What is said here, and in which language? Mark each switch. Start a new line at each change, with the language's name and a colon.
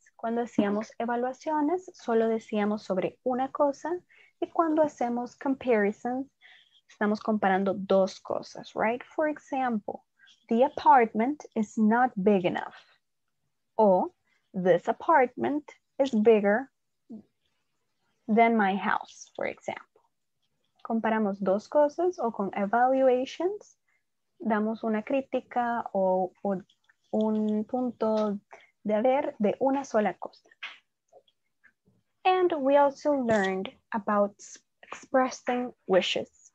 Spanish: Cuando hacíamos evaluaciones, solo decíamos sobre una cosa, y cuando hacemos comparisons, estamos comparando dos cosas, right?
English: For example, the apartment is not big enough. Or, this apartment is bigger than my house, for example.
Spanish: Comparamos dos cosas o con evaluations. Damos una crítica o un punto de ver de una sola cosa.
English: And we also learned about expressing wishes.